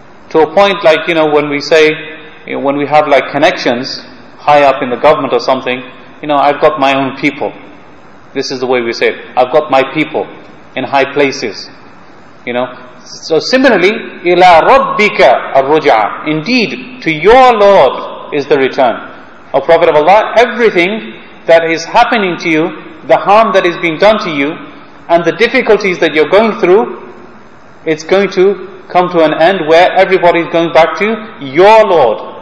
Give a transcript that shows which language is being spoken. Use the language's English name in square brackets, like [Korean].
[English] To a point like, you know, when we say, you know, when we have like connections high up in the government or something, you know, "I've got my own people." This is the way we say it. "I've got my people in high places." You know. So similarly, [Arabic] إِلَىٰ رَبِّكَ الرُّجْعَ. [English] Indeed, to your Lord is the return. O Prophet of Allah, everything that is happening to you, the harm that is being done to you, and the difficulties that you're going through, it's going to come to an end where everybody's going back to your Lord.